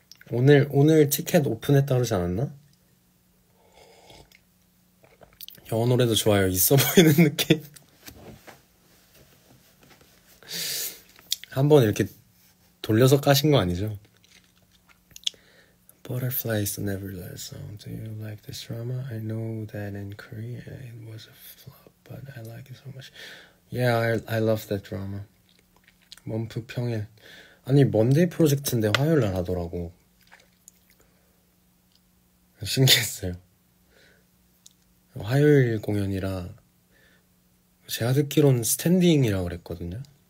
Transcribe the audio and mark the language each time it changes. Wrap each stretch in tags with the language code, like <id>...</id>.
<ko>오늘 티켓 오픈했다 그러지 않았나? 영어 노래도 좋아요. 있어 보이는 느낌. 한번 이렇게 돌려서 까신 거 아니죠?</ko> <en>Butterflies never let song. Do you like this drama? I know that in Korea it was a flop, but I like it so much. Yeah, I love that drama.</en> <ko>먼프 평일. 아니, 먼데이 프로젝트인데 화요일 날 하더라고. 신기했어요. 화요일 공연이라 제가 듣기로는 스탠딩이라고 그랬거든요.</ko>